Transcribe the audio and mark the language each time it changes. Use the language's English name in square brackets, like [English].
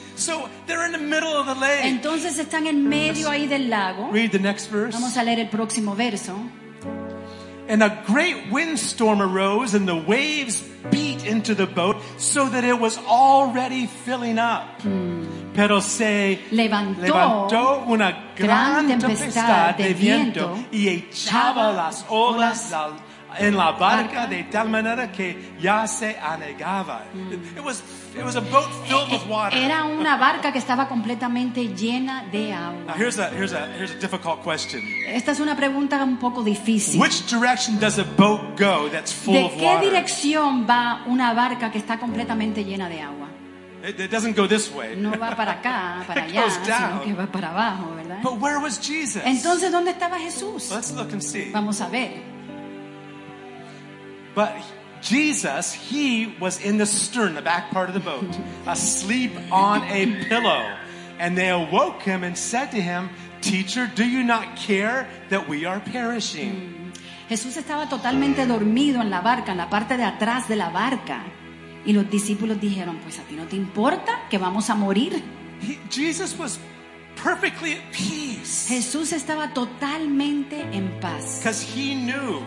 [English] So they're in the middle of the lake. [Spanish] Entonces están en medio ahí del lago. [English] Read the next verse. [Spanish] Vamos a leer el próximo verso. [English] And a great windstorm arose, and the waves beat into the boat, so that it was already filling up. [Spanish] Pero se levantó una gran tempestad de viento y echaba las olas en la barca de tal manera que ya se anegaba. [English] It was a boat filled with water. [Spanish] Era una barca que estaba completamente llena de agua. [English] Now here's a difficult question. [Spanish] Esta es una pregunta un poco difícil. [English] Which direction does a boat go that's full of water? [Spanish] ¿De qué dirección va una barca que está completamente llena de agua? [English] It doesn't go this way. [Spanish] No va para acá, para [English] it [Spanish] allá, [English] goes down. [Spanish] Sino que va para abajo, ¿verdad? [English] But where was Jesus? [Spanish] Entonces, ¿dónde estaba Jesús? [English] Let's look and see. [Spanish] Vamos a ver. [English] But Jesus, he was in the stern, the back part of the boat, asleep on a pillow. And they awoke him and said to him, Teacher, do you not care that we are perishing? [Spanish] Jesús estaba totalmente dormido en la barca, en la parte de atrás de la barca. Y los discípulos dijeron, pues a ti no te importa que vamos a morir. [English] Jesus was perfectly at peace. [Spanish] Jesús estaba totalmente en paz. [English] Because he knew.